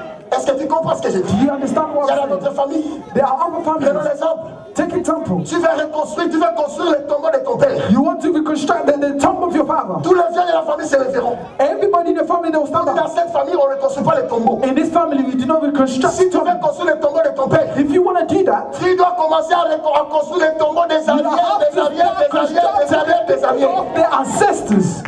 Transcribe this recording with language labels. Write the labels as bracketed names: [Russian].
[French] Est-ce que tu comprends ce que j'ai dit? [English] Do you understand what I'm saying? [French] Il y a notre famille. [English] There are our families. [French] Prenons l'exemple. [English] Take a temple. [French] Tu veux reconstruire, le tombeau de ton père. [English] You want to reconstruct the tombeau of your father. [French] Tous les vieux de la famille se réveilleront. [English] Everybody in the family will stand up. [French] Dans cette famille, on ne reconstruit pas le tombeau. [English] In this family, we do not reconstruct. [French] Si tu veux construire le tombeau de ton père. [English] If you want to do that. [French] Tu dois commencer à construire le tombeau des arrières, des arrières, [English] of the ancestors.